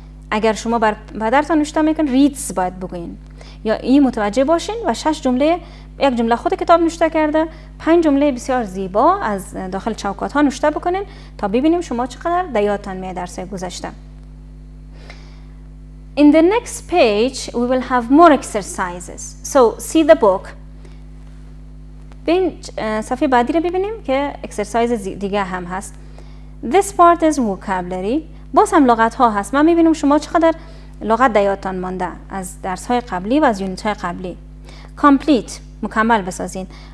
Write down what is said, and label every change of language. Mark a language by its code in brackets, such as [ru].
[fa] اگر شما بر پدرتان نوشته میکنین reads باید بگوین. یا این متوجه باشین و 6 جمله, یک جمله خود کتاب نوشته کرده, 5 جمله بسیار زیبا از داخل چوکات ها نوشته بکنین تا ببینیم شما چقدر دیاتان میاد درس گذشته. [en] In the next page we will have more exercises. So see the book. [fa] بین صفحه بعدی رو ببینیم که اکسرسایز دیگه هم هست. [en] This part is vocabulary. [fa] باز هم لغت ها هست. من میبینم شما چقدر لغت دیاتان مانده از درس های قبلی و از یونیت های قبلی. Complete. مکمل بسازین.